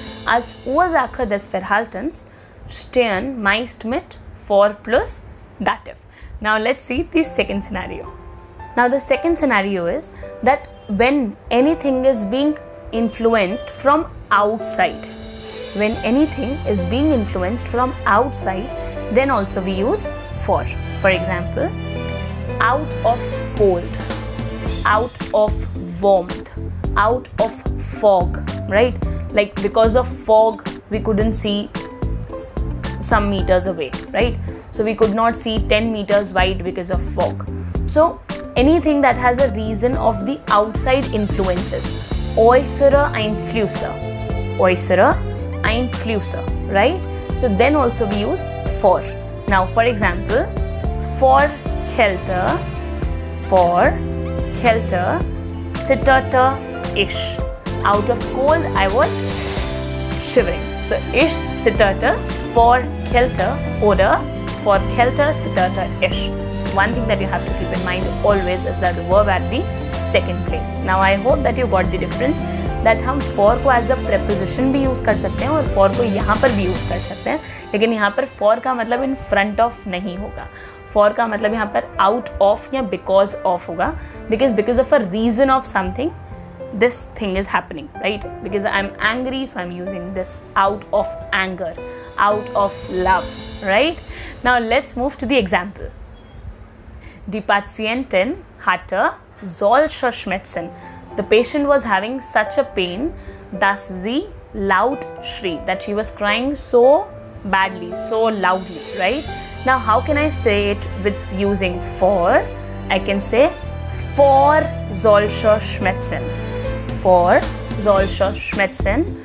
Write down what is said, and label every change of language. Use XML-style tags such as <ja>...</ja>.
<de>Als Ursache des Verhaltens stehen meist mit for</de> <en>plus dative. Now let's see the second scenario. Now the second scenario is that when anything is being influenced from outside, when anything is being influenced from outside, then also we use for. For example, out of cold, out of warmth, out of fog, right? Like because of fog we couldn't see some meters away, right? So we could not see 10 meters wide because of fog. So anything that has a reason of the outside influences,</en> <de>äußere Einflüsse, äußere Einflüsse,</de> <en>right? So then also we use for. Now for example,</en> <de>vor Kälte zitterte ich.</de> <en>Out of cold I was shivering.</en> <de>So ich zitterte vor Kälte oder vor Kälte zitterte ich.</de> <en>One thing that you have to keep in mind always is that the verb at the second place. Now I hope that you got the difference that</en> <hi>hum</hi> <en>for</en> <hi>ko</hi> <en>as a preposition</en> <hi>bhi use kar sakte hain</hi> <en>aur for ko yahan par bhi use kar sakte hain.</en> <hi>Lekin yahan par for ka matlab</hi> <en>in front of</en> <hi>nahi hoga. For ka matlab yahan par</hi> <en>out of</en> <hi>ya</hi> <en>because of</en> <hi>hoga.</hi> <en>Because of a reason of something, this thing is happening, right? Because I'm angry, so I'm using this out of anger, out of love, right? Now let's move to the example.</en> <de>Die Patientin hatte solche Schmerzen.</de> <en>The patient was having such a pain,</en> <de>dass sie laut schrie,</de> <en>that she was crying so badly, so loudly, right? Now how can I say it with using for? I can say</en> <de>vor solche Schmerzen. Vor solche Schmerzen</de>